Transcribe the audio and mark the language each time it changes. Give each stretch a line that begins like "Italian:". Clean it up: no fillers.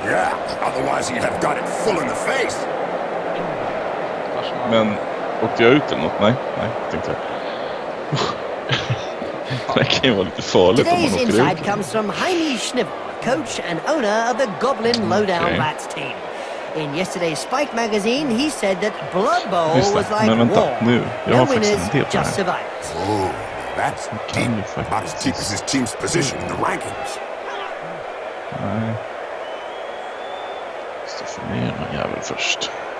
English: Yeah, otherwise he'd have got it full in the face.
Swedish: Men åkte jag ut eller något? Nej, nej, tänkte jag. Det kan ju vara lite farligt om man åker ut. Today's inside comes from Jaime Schnibble, coach and owner of the Goblin Lowdown Rats team. In yesterday's Spike magazine, he said that Blood Bowl was like war. Men vänta, nu. Jag har faktiskt en del på det här.
English: Ooh, that's deep. About as deep as his team's position in the rankings.
Swedish: Nej. Jag måste få ner någon jävel först.